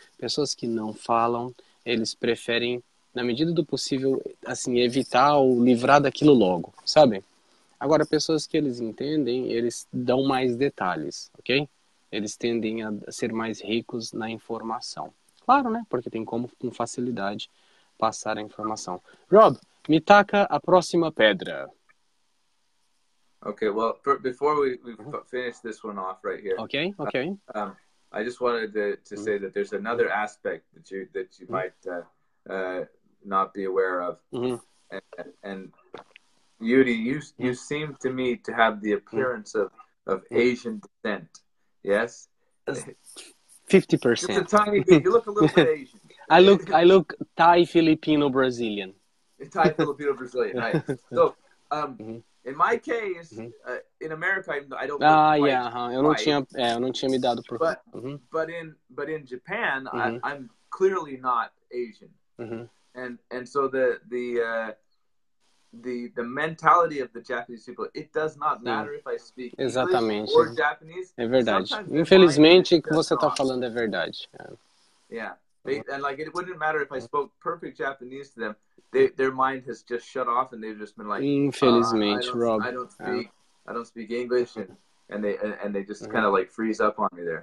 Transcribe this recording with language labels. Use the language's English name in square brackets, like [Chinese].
[Portuguese] Pessoas que não falam, eles preferem, na medida do possível, assim, evitar ou livrar daquilo logo, sabe? Agora, pessoas que eles entendem, eles dão mais detalhes, ok? Eles tendem a ser mais ricos na informação. Claro, né? Porque tem como, com facilidade, passar a informação. Rob, me taca a próxima pedra. [English] Ok, well, before we finish this one off right here. Ok, ok. I just wanted to say that there's another aspect that you might not be aware of, and Yuri, you seem to me to have the appearance of Asian descent. Yes, 50%. It's a tiny bit. You look a little bit Asian. I look Thai Filipino Brazilian. Thai Filipino Brazilian. Right. So, In my case, in America, I don't look white. [Portuguese] Yeah, eu não tinha, eu não tinha me dado por. [English] But, but in Japan, I'm clearly not Asian. And so the mentality of the Japanese people, it does not matter if I speak English or Japanese. [Portuguese] É verdade. Sometimes infelizmente, o que você está falando é verdade. [English] Yeah. And like, it wouldn't matter if I spoke perfect Japanese to them. Their mind has just shut off, and they've just been like, [Portuguese] infelizmente, Rob. [English] I don't speak English, and they just kind of like freeze up on me there.